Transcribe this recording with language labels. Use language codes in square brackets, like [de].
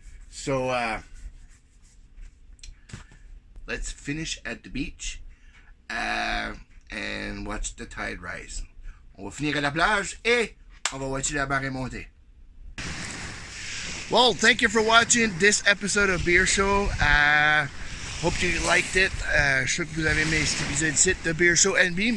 [en] So, let's finish at the beach and watch the tide rise. [fr] On va finir à la plage et on va watcher la marée monter. [en] Well, thank you for watching this episode of Beer Show. Hope you liked it. [fr] Je sais que vous avez aimé cet épisode site de Beer Show NB.